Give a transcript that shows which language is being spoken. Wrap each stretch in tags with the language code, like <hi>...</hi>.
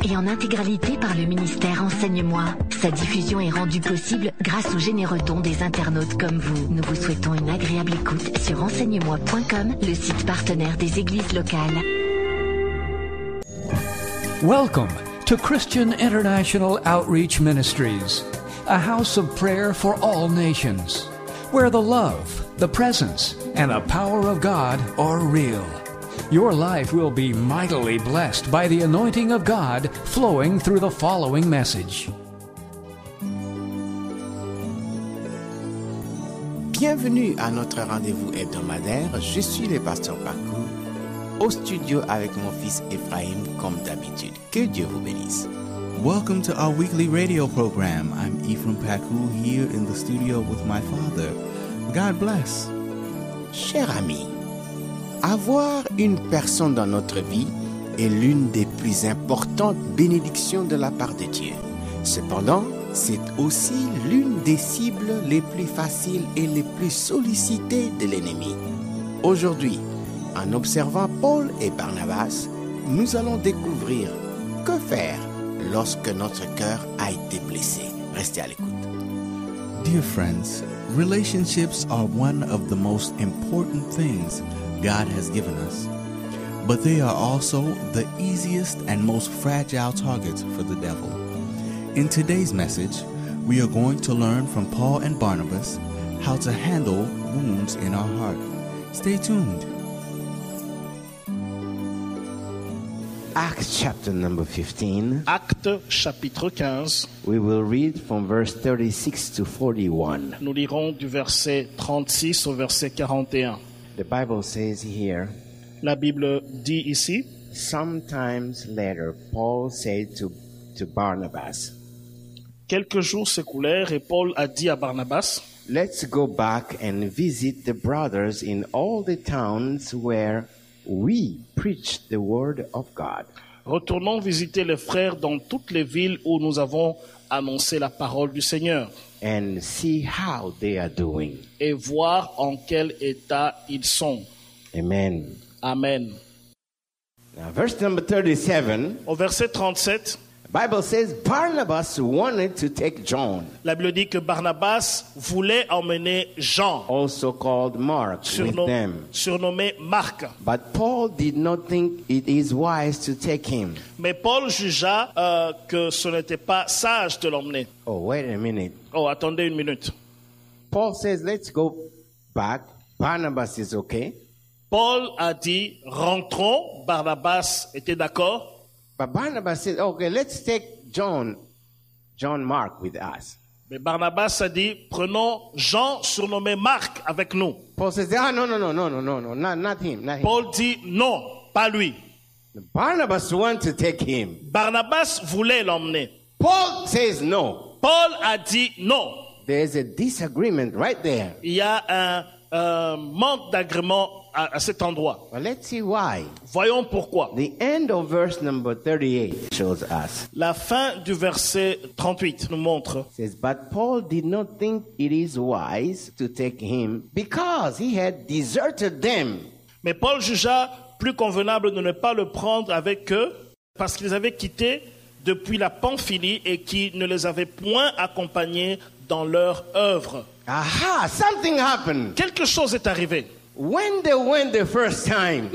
<fr>Et en intégralité par le ministère Enseigne-moi. Sa diffusion est rendue possible grâce aux généreux dons des internautes comme vous. Nous vous souhaitons une agréable écoute sur enseignemoi.com, le site partenaire des églises locales.</fr> <en>Welcome to Christian International Outreach Ministries, a house of prayer for all nations, where the love, the presence, and the power of God are real. Your life will be mightily blessed by the anointing of God flowing through the following message.</en> <fr>Bienvenue à notre rendez-vous hebdomadaire. Je suis le pasteur Paco, au studio avec mon fils Ephraim, comme d'habitude. Que Dieu vous bénisse.</fr> <en>Welcome to our weekly radio program. I'm Ephraim Paco here in the studio with my father. God bless.</en> <fr>Cher ami, avoir une personne dans notre vie est l'une des plus importantes bénédictions de la part de Dieu. Cependant, c'est aussi l'une des cibles les plus faciles et les plus sollicitées de l'ennemi. Aujourd'hui, en observant Paul et Barnabas, nous allons découvrir que faire lorsque notre cœur a été blessé. Restez à l'écoute.</fr> <en>Dear friends, relationships are one of the most important things God has given us, but they are also the easiest and most fragile targets for the devil. In today's message, we are going to learn from Paul and Barnabas how to handle wounds in our heart. Stay tuned. Acts chapter number 15.</en> <fr>Acte chapitre 15.</fr> <en>We will read from verse 36 to 41.</en> <fr>Nous lirons du verset 36 au verset 41.</fr> <en>The Bible says here.</en> <fr>La Bible dit ici.</fr> <en>Sometimes later, Paul said to Barnabas.</en> <fr>Quelques jours s'écoulèrent et Paul a dit à Barnabas.</fr> <en>Let's go back and visit the brothers in all the towns where we preach the word of God.</en> <fr>Retournons visiter les frères dans toutes les villes où nous avons annoncé la parole du Seigneur.</fr> <en>And see how they are doing.</en> <fr>Et voir en quel état ils sont.</fr> <en>Amen.</en> <fr>Amen.</fr> <en>Now, verse number 37.</en> <fr>Au verset 37.</fr> <en>Bible says Barnabas wanted to take John.</en> <fr>La Bible dit que Barnabas voulait emmener Jean.</fr> <en>Also called Mark, with them.</en> <fr>Surnommé Marc.</fr> <en>But Paul did not think it is wise to take him.</en> <fr>Mais Paul jugea que ce n'était pas sage de l'emmener.</fr> <en>Oh, wait a minute.</en> <fr>Oh, attendez une minute.</fr> <en>Paul says, let's go back. Barnabas is okay.</en> <fr>Paul a dit, rentrons. Barnabas était d'accord.</fr> <en>But Barnabas said, okay, let's take John Mark with us.</en> <fr>Mais Barnabas a dit, prenons Jean surnommé Marc avec nous.</fr> <en>Paul says, ah, no, not him.</en> <fr>Paul dit, non, pas lui.</fr> <en>Barnabas wanted to take him.</en> <fr>Barnabas voulait l'emmener.</fr> <en>Paul says, no.</en> <fr>Paul a dit, non.</fr> <en>There's a disagreement right there.</en> <fr>Il y a un manque d'agrément à cet endroit.</fr> <en>Well, let's see why.</en> <fr>Voyons pourquoi.</fr> <en>The end of verse number 38 shows us.</en> <fr>La fin du verset 38 nous montre.</fr> <en>It says, but Paul did not think it is wise to take him because he had deserted them.</en> <fr>Mais Paul jugea plus convenable de ne pas le prendre avec eux parce qu'ils avaient quitté depuis la Pamphylie et qui ne les avaient point accompagnés dans leur œuvre.</fr> <en>Aha, something happened.</en> <fr>Quelque chose est arrivé.</fr> <en>When they went the first time,</en>